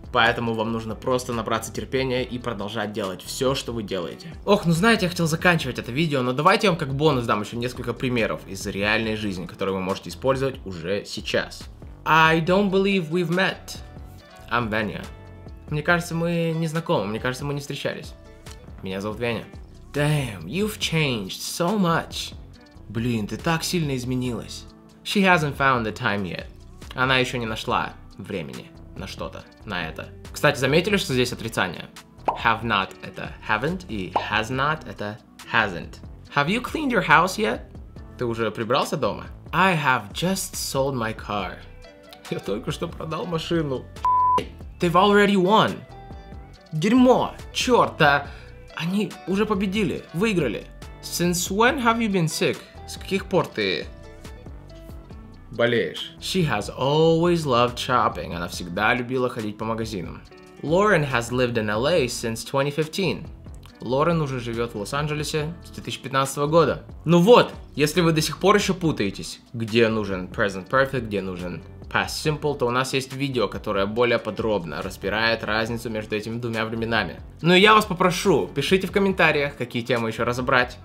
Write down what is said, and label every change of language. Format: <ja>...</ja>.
<ru>Поэтому вам нужно просто набраться терпения и продолжать делать все, что вы делаете. Ох, ну знаете, я хотел заканчивать это видео, но давайте я вам как бонус дам еще несколько примеров из реальной жизни, которые вы можете использовать уже сейчас.</ru> <en>I don't believe we've met. I'm Vanya.</en> <ru>Мне кажется, мы не знакомы, мне кажется, мы не встречались. Меня зовут Веня.</ru> <en>Damn, you've changed so much.</en> <ru>Блин, ты так сильно изменилась.</ru> <en>She hasn't found the time yet.</en> <ru>Она еще не нашла времени на что-то, на это. Кстати, заметили, что здесь отрицание? Have not — это haven't, и has not — это hasn't.</ru> <en>Have you cleaned your house yet?</en> <ru>Ты уже прибрался дома?</ru> <en>I have just sold my car.</en> <ru>Я только что продал машину.</ru> <en>They've already won.</en> <ru>Дерьмо, черт, а они уже победили, выиграли.</ru> <en>Since when have you been sick?</en> <ru>С каких пор ты болеешь?</ru> <en>She has always loved shopping.</en> <ru>Она всегда любила ходить по магазинам.</ru> <en>Lauren has lived in LA since 2015.</en> <ru>Лорен уже живет в Лос-Анджелесе с 2015 года. Ну вот, если вы до сих пор еще путаетесь, где нужен present perfect, где нужен past simple, то у нас есть видео, которое более подробно разбирает разницу между этими двумя временами. Ну и я вас попрошу, пишите в комментариях, какие темы еще разобрать.</ru>